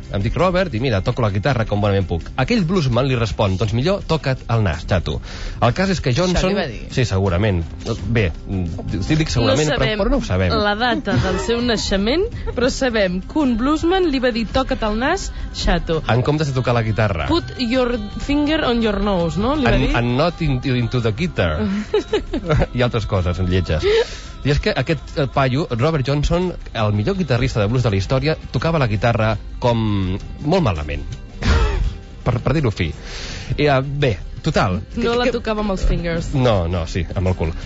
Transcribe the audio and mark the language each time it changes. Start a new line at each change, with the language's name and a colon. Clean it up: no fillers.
Catalan: Em dic Robert i mira, toco la guitarra com bonament puc. Aquell bluesman li respon: doncs millor toca't el nas, xato. El cas és que Johnson... Això li va dir. Sí, segurament. Bé, dic segurament, no sabem, però no ho sabem. La data del seu naixement, però sabem que un bluesman li va dir: toca't el nas, xato. En comptes de tocar la guitarra.
English: Put your finger on your nose, no?
Catalan: Li va dir.
English: And not into the guitar.
Catalan: I altres coses, lletges. I és que aquest paio, Robert Johnson, el millor guitarrista de blues de la història, tocava la guitarra com molt malament. Per dir-ho fi. I, bé, total... No la tocava amb els fingers. No, no, sí, amb el cul.